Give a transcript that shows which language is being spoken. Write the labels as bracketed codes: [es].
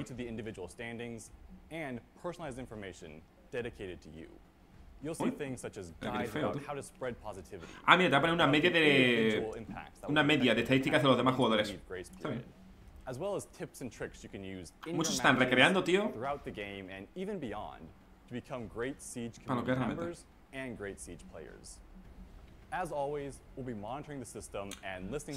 [en] Each of the individual standings and personalized information dedicated to you. You'll see things such as guides about how to spread positivity. [es] Ah, mira, te va a poner una media de estadísticas de los demás jugadores. [en] As well as tips and tricks you can use in throughout the game and even beyond to become great Siege community members and great Siege players. As always, we'll be monitoring the system and listening